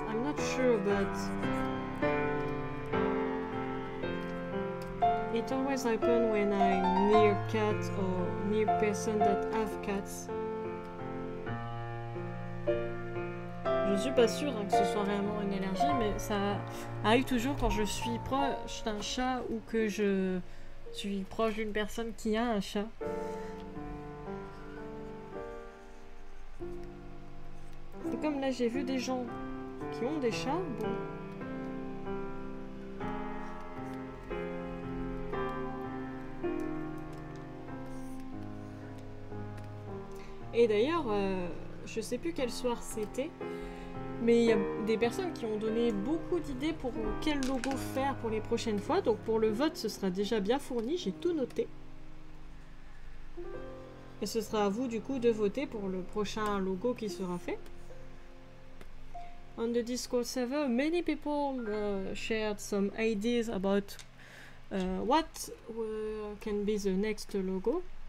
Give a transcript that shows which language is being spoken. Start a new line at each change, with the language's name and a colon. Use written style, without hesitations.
English: I'm not sure, but it always happens when I'm near cat or near person that have cats.
French: Je suis pas sûre hein, que ce soit vraiment une allergie, mais ça arrive toujours quand je suis proche d'un chat ou que je suis proche d'une personne qui a un chat. Comme là j'ai vu des gens qui ont des chats, bon. Et d'ailleurs, je sais plus quel soir c'était, mais il y a des personnes qui ont donné beaucoup d'idées pour quel logo faire pour les prochaines fois, donc pour le vote ce sera déjà bien fourni, j'ai tout noté. Et ce sera à vous du coup de voter pour le prochain logo qui sera fait.
English: On the Discord server, many people shared some ideas about what can be the next logo.